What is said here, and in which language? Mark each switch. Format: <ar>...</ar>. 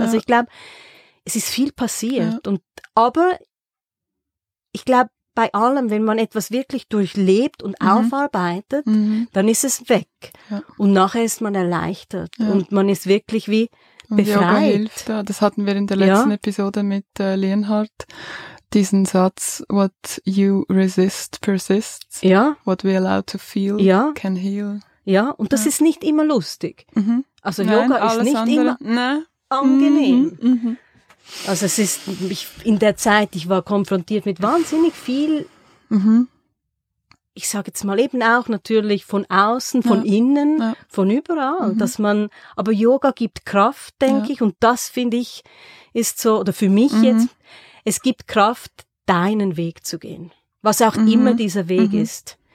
<de>Also ich glaube, es ist viel passiert. Und aber ich glaube, bei allem, wenn man etwas wirklich durchlebt und aufarbeitet, dann ist es weg. Und nachher ist man erleichtert und man ist wirklich wie befreit. Und Yoga hilft. Das hatten wir in der letzten Episode mit Leonhard. Diesen Satz,</de> <en>what you resist persists.</en> <de>Ja.</de> <en>What we allow to feel can heal.</en> <de>Ja, und das ist nicht immer lustig. Also Yoga ist nicht immer angenehm. Also es ist, in der Zeit, ich war konfrontiert mit wahnsinnig viel, ich sage jetzt mal eben auch natürlich von außen, von innen, von überall, dass man, aber Yoga gibt Kraft, denke ich, und das finde ich ist so, oder für mich jetzt, es gibt Kraft, deinen Weg zu gehen, was auch immer dieser Weg ist.</de>